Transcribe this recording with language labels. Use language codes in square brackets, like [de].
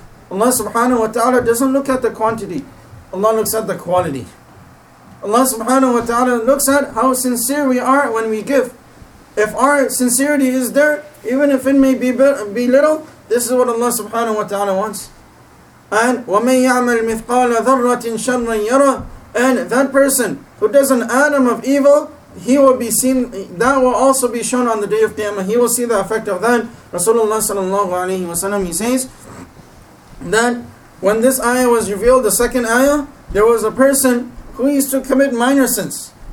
[en] Allah subhanahu wa ta'ala doesn't look at the quantity. Allah looks at the quality. Allah subhanahu wa ta'ala looks at how sincere we are when we give. If our sincerity is there, even if it may be little, this is what Allah subhanahu wa ta'ala wants. [ar] And وَمَنْ يَعْمَلْ مِثْقَالَ ذَرَّةٍ شَرًّا يَرَى. [en] And that person who does an atom of evil, he will be seen, that will also be shown on the day of Qiyamah. He will see the effect of that. Rasulullah sallallahu alayhi wa sallam, he says that when this ayah was revealed, the second ayah, there was a person who used to commit minor sins.